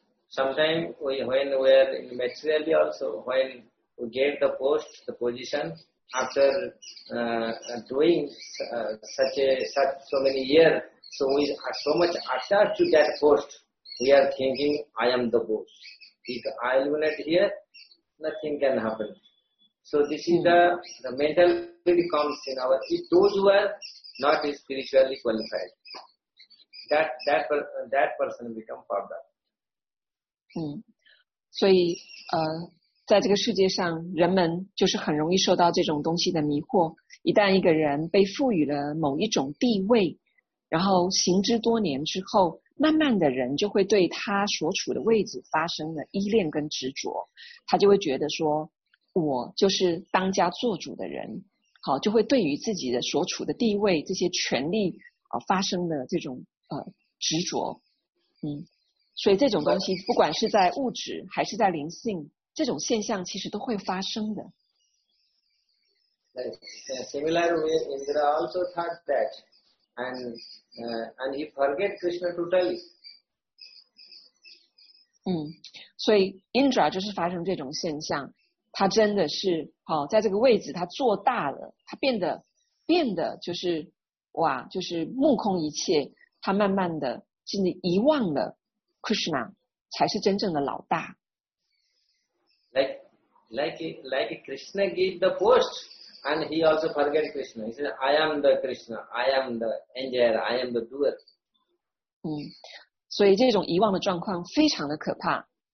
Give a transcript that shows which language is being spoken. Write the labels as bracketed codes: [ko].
[en] Sometimes when we are in materially also, when we get the post, the position, after doing such so many years, so we are so much attached to that post, we are thinking, I am the boss. If I am not here, nothing can happen. So this is the mentality comes in our, if those who are not spiritually qualified, that person become father. [zh] 嗯，所以在这个世界上，人们就是很容易受到这种东西的迷惑。一旦一个人被赋予了某一种地位，然后行之多年之后，慢慢的人就会对他所处的位置发生了依恋跟执着，他就会觉得说，我就是当家做主的人，好，就会对于自己的所处的地位这些权利发生了这种执着，嗯。所以这种东西不管是在物质还是在灵性，这种现象其实都会发生的。 [en] Like, similar way, Indra also thought that, and he forget Krishna totally. [zh] 嗯，所以 Indra 就是发生这种现象，他真的是好，在这个位置他做大了，他变得就是哇，就是目空一切，他慢慢的甚至遗忘了。 Krishna 才是真正的老大。 [en] Like Krishna gave the post, and he also forget Krishna. He said, "I am the Krishna. I am the enjoyer. I am the doer." [zh] 嗯，所以这种遗忘的状况非常的可怕。